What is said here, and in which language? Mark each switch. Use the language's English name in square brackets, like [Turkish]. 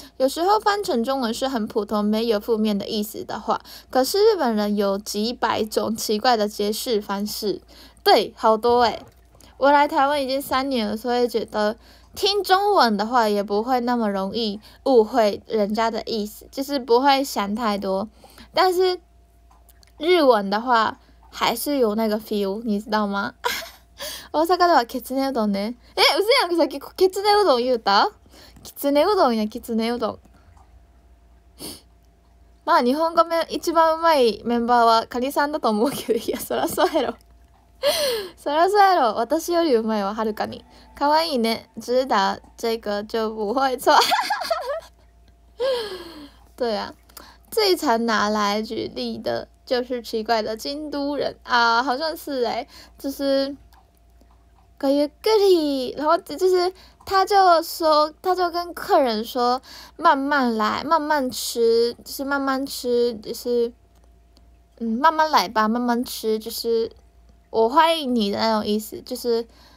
[Chinese] 有时候翻成中文是很普通，没有负面的意思的话，可是日本人有几百种奇怪的解释方式。对，好多哎。我来台湾已经3年了，所以觉得。听中文的话也不会那么容易误会人家的意思，就是不会想太多，但是日文的话还是有那个 feel， 你知道吗？ [Japanese] 大阪ではきつねうどんね。え、うずやんさっききつねうどん言うた？きつねうどんや、きつねうどん。まあ日本語め一番うまいメンバーはカニさんだと思うけど、いやそらそうやろ。そらそうやろ、私よりうまいわはるかに。可愛いね、 [Chinese] 直打这个就不会错。对啊，最常拿来举例的就是奇怪的京都人啊，好像是哎、欸，就是可以个体，然后就是他就说，他就跟客人说慢慢来，慢慢吃，就是慢慢吃，就是慢慢来吧，慢慢吃，就是我欢迎你的那种意思，就是。